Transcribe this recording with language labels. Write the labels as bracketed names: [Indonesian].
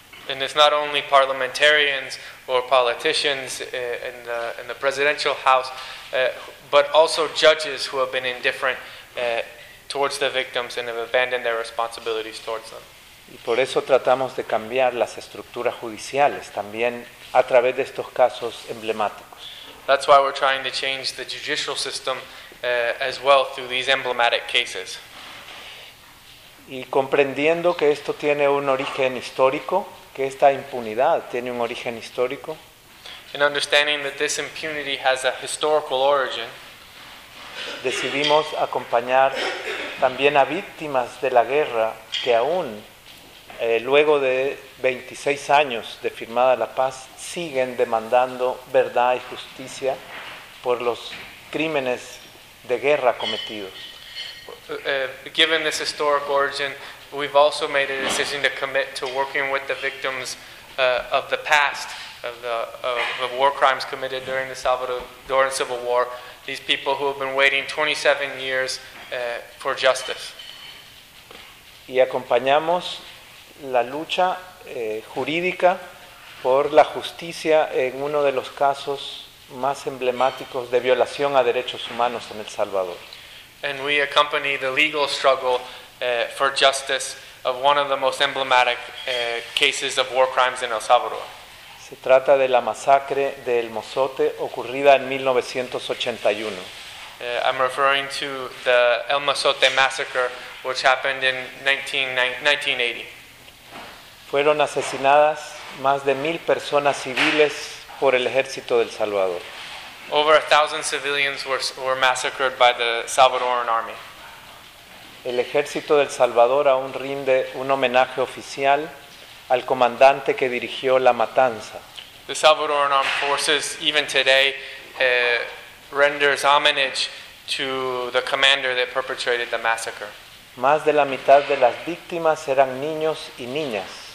[English] And it's not only parliamentarians or politicians in the presidential house, but also judges who have been indifferent towards the victims and have abandoned their responsibilities towards them. [Spanish] Y por eso tratamos de cambiar las estructuras judiciales también a través de estos casos emblemáticos. [English] That's why we're trying to change the judicial system as well through these emblematic cases. [Spanish] Y comprendiendo que esto tiene un origen histórico, que esta impunidad tiene un origen histórico. [English] And understanding that this impunity has a historical origin. [Spanish] Decidimos acompañar también a víctimas de la guerra que aún luego de 26 años de firmada la paz, siguen demandando verdad y justicia por los crímenes de guerra cometidos. [English] Given this historic origin, we've also made a decision to commit to working with the victims of the past, of the war crimes committed during the Salvadoran Civil War, these people who have been waiting 27 years for justice. [Spanish] Y acompañamos la lucha jurídica por la justicia en uno de los casos más emblemáticos de violación a derechos humanos en El Salvador. [English] And we accompany the legal struggle for justice of one of the most emblematic cases of war crimes in El Salvador. [Spanish] Se trata de la masacre de El Mozote ocurrida en 1981. [English] I'm referring to the El Mozote massacre which happened in 1980. [Spanish] Fueron asesinadas más de 1,000 personas civiles por el ejército del Salvador. [English] Over 1,000 civilians were massacred by the Salvadoran army. [Spanish] El ejército del Salvador aún rinde un homenaje oficial al comandante que dirigió la matanza. [English] The Salvadoran armed forces even today renders homage to the commander that perpetrated the massacre. [Spanish] Más de la mitad de las víctimas eran niños y niñas.